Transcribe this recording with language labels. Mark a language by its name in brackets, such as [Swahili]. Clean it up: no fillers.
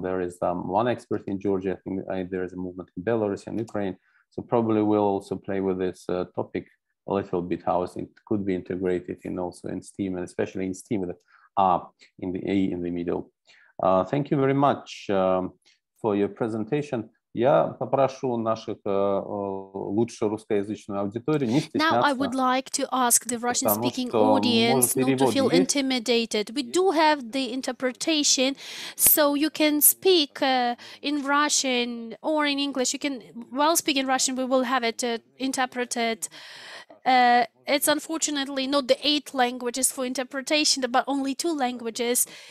[English] And there is one expert in Georgia. I think there is a movement in Belarus and Ukraine. So probably we'll also play with this topic a little bit, how it could be integrated in also in STEAM, and especially in STEAM with in the A in the middle. Thank you very much for your presentation. [Russian] Я попрошу наших лучше русскоязычную аудиторию не стесняться. [English] Now I would like to ask the Russian-speaking audience not to feel intimidated. We do have the interpretation, so you can speak in Russian or in English. You can, while speaking Russian, we will have it interpreted. It's unfortunately not the 8 languages for interpretation, but only 2 languages.